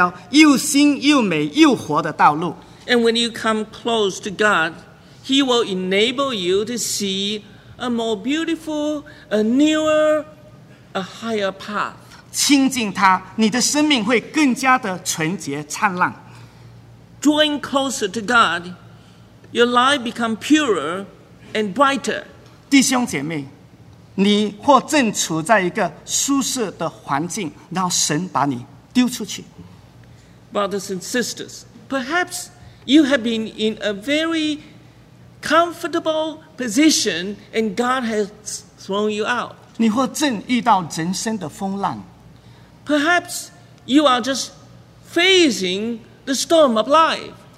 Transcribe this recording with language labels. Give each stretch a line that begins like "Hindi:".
Chinese: 你来亲近神，神就让你看到一条又新又美又活的道路。
English: And when you come close to God, He will enable you to see a more beautiful, a newer, a higher path.
Chinese: 亲近他，你的生命会更加的纯洁灿烂。
English: Drawing closer to God, your life becomes purer and brighter.
Chinese: 弟兄姐妹，你或正处在一个舒适的环境，然后神把你丢出去。
English: Brothers and sisters, perhaps you have been in a very comfortable position and God has thrown you out.
Chinese: 你或正遇到人生的风浪。
English: Perhaps you are just facing the storm of life.